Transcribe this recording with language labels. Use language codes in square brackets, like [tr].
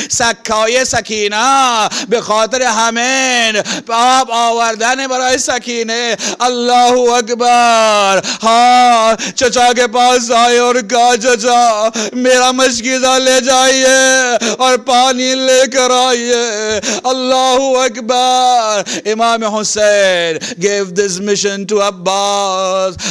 [fa] سکای سکینه به خاطر همین آب آوردن برای سکینه. [ar] الله اکبر. [ur] ها چچا کے پاس آئے اور کہا, چچا میرا مشکیزہ لے جائیے اور پانی لے کر آئیے. [ar] الله اکبر. [en] امام حسین gave this mission to Abbas.